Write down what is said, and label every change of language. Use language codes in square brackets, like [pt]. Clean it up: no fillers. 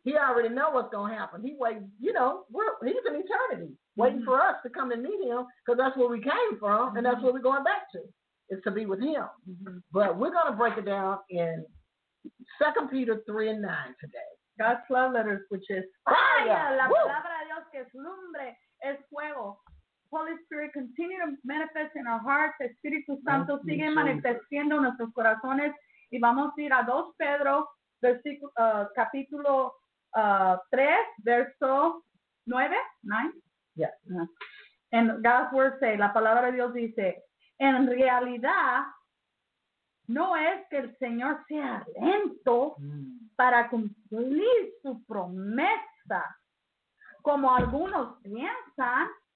[en] He already know what's going to happen. He waits, you know, he's in eternity waiting mm-hmm. for us to come and meet him, because that's where we came from mm-hmm. and that's where we're going back to. Is to be with him. Mm-hmm. But we're going to break it down in 2 Peter 3 and 9 today. God's love letters, which is fire. [es] La palabra de Dios que es lumbre, es fuego. [en] Holy Spirit, continue to manifest in our hearts. [es] Espíritu Santo, [en] thank [es] sigue manifestando en nuestros corazones. Y vamos a ir a 2 Pedro, capítulo 3, verso 9. [en] Yeah. And God's word say, [es] la palabra de Dios dice, en realidad, no es que el Señor sea lento para cumplir su promesa, como algunos piensan.